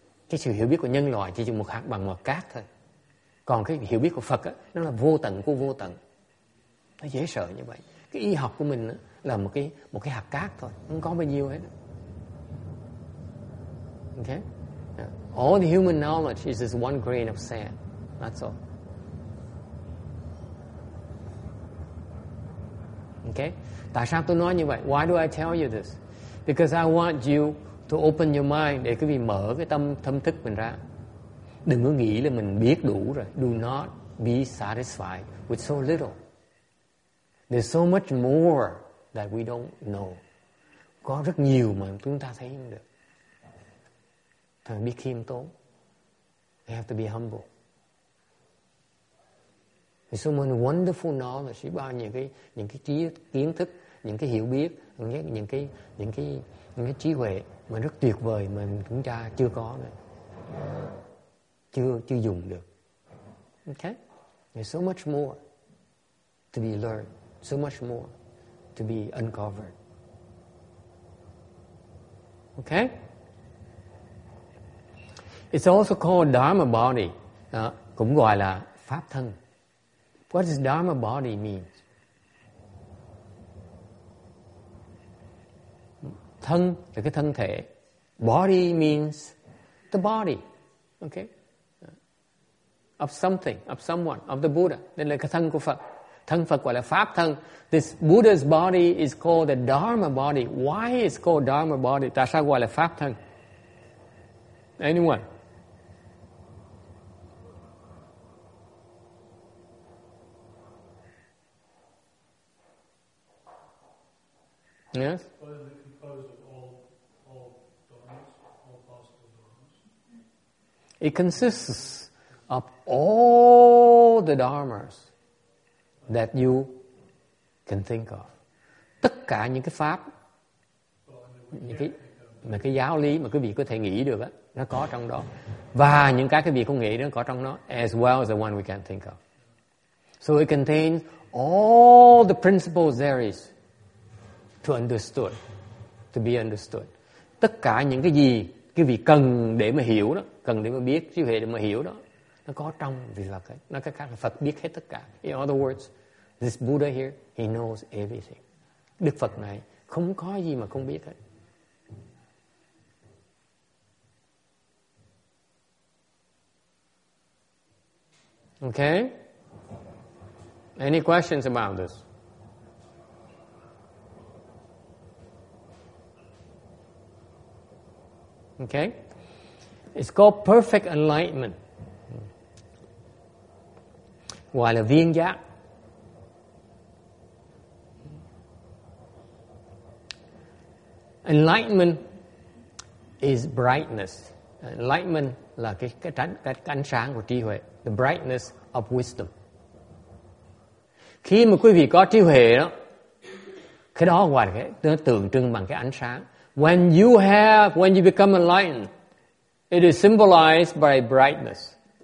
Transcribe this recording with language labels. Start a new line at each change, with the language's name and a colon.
Vietnamese: Cái sự hiểu biết của nhân loại chỉ một hạt bằng một cát thôi. Còn cái hiểu biết của Phật á, nó là vô tận của vô tận. Nó dễ sợ như vậy. Cái y học của mình á, là một cái hạt cát thôi, không có bao nhiêu hết. Okay? Yeah.
English: All the human knowledge is just one grain of sand. That's all. Okay.
Vietnamese: Tại sao tôi nói như vậy?
English: Why do I tell you this? Because I want you to open your mind.
Vietnamese: Để quý vị mở cái tâm thâm thức mình ra. Đừng có nghĩ là mình biết đủ rồi.
English: Do not be satisfied with so little. There's so much more that we don't know.
Vietnamese: Có rất nhiều mà chúng ta thấy không được. Thôi biết khiêm tốn.
English: You have to be humble. There's so many wonderful knowledge,
Vietnamese: bao nhiêu những cái trí kiến thức, những cái hiểu biết, những cái trí huệ mà rất tuyệt vời mà chúng ta chưa có nữa. Chưa dùng được.
English: Okay? There's so much more to be learned, so much more to be uncovered. Okay? It's also called Dharma body,
Vietnamese: cũng gọi là pháp thân.
English: What does Dharma body mean?
Vietnamese: thân là cái thân thể.
English: Body means the body, okay? Of something, of someone, of the Buddha.
Vietnamese: Nên là cái thân của Phật. Thân Phật gọi là Pháp thân.
English: This Buddha's body is called the Dharma body. Why is it called Dharma body?
Vietnamese: Tại sao gọi là Pháp thân?
English: Anyone? Yes? It consists of all the dharmas that you can think of.
Vietnamese: Tất cả những cái pháp, những cái mà cái giáo lý mà quý vị có thể nghĩ được á, nó có trong đó. Và những cái quý vị không nghĩ nó có trong nó,
English: as well as the one we can think of. So it contains all the principles there is to understood, to be understood.
Vietnamese: Tất cả những cái gì quý vị cần để mà hiểu đó, cần để mà biết, chứ hệ để mà hiểu đó, nó có trong vị Phật ấy. Nó cái khác là Phật biết hết tất cả.
English: In other words, this Buddha here, he knows everything.
Vietnamese: Đức Phật này không có gì mà không biết hết.
English: Okay? Any questions about this? Okay? It's called perfect enlightenment.
Vietnamese: Gọi là viên giác.
English: Enlightenment is brightness.
Vietnamese: Enlightenment là cái ánh sáng của trí huệ.
English: The brightness of wisdom.
Vietnamese: Khi mà quý vị có trí huệ đó, cái đó gọi là cái, nó tượng trưng bằng cái ánh sáng.
English: When you become enlightened, it is symbolized by brightness.